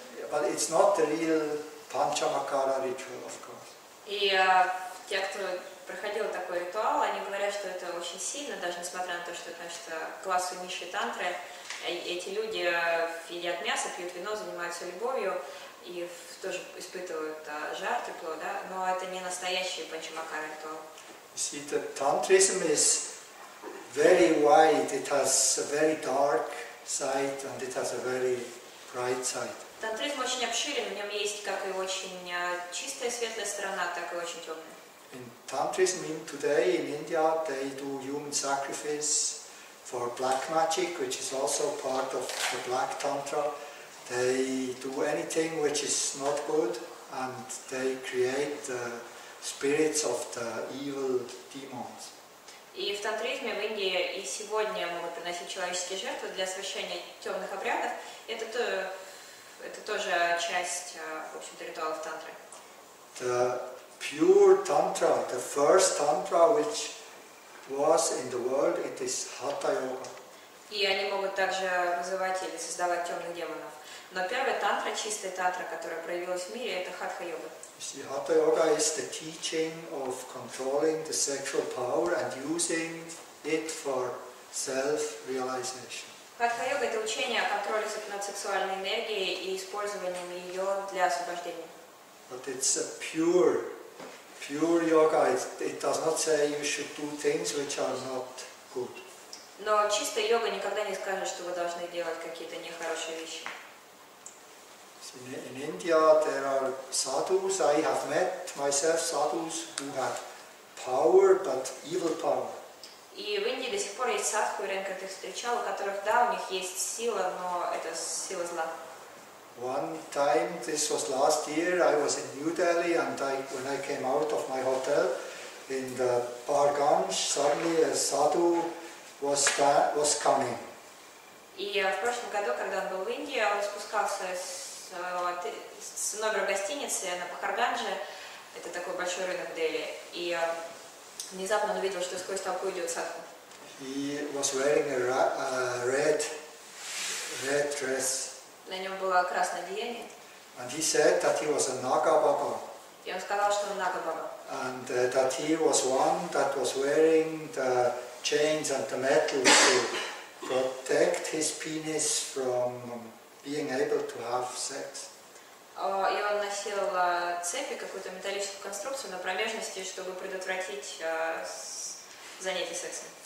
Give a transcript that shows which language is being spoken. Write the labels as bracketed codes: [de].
[en] But it's not the real Panchamakara ritual, of course. [ru] Те, кто проходил такой ритуал, они говорят, что это очень сильно, даже несмотря на то, что это значит классы низшей тантры. Эти люди едят мясо, пьют вино, занимаются любовью и тоже испытывают жар, тепло, да? Но это не настоящий панчамакара ритуал. [en] You see, the tantrism is very wide, it has a very dark side and it has a very bright side. [ru] Тантризм очень обширен, в нем есть как и очень чистая светлая сторона, так и очень темная. [en] In tantrism today in India they do human sacrifice for black magic, which is also part of the black tantra. They do anything which is not good. and they create the spirits of the evil demons. [ru] И в тантризме в Индии и сегодня могут приносить человеческие жертвы для освящения темных обрядов. Это тоже часть, в общем-то, ритуалов тантры. [en] The pure tantra, the first tantra which was in the world, it is Hatha Yoga. [ru] И они могут также вызывать или создавать темных демонов. Но первая тантра, чистая тантра, которая проявилась в мире, это Хатха Йога. [en] See, Hatha Yoga is the teaching of controlling the sexual power and using it for self-realization. [ru] Хатха Йога — это учение о контроле над сексуальной энергией и использованием ее для освобождения. [en] But it's a pure yoga. It does not say you should do things which are not good. [ru] Но чистая йога никогда не скажет, что вы должны делать какие-то нехорошие вещи. [en] In India there are sadhus. I have met myself sadhus who had power, but evil power. [ru] И в Индии до сих пор есть садху, Ренка, ты встречал, у которых, да, у них есть сила, но это сила зла. [en] One time, this was last year, I was in New Delhi, and when I came out of my hotel in the Bar Ganges, suddenly a sadhu was coming. [ru] И в прошлом году, когда он был в Индии, он спускался с номера гостиницы на Пахарганже, это такой большой рынок в Дели, и внезапно он увидел, что сквозь толпу идет садху. [en] He was wearing a red dress. [ru] На нем было красное одеяние. [en] And he said that he was a Naga Baba. [ru] И он сказал, что он Naga Baba. [en] And that he was one that was wearing the chains and the metal to protect his penis from being able to have sex. [ru] И он носил цепи, какую-то металлическую конструкцию на промежности, чтобы предотвратить занятие сексом.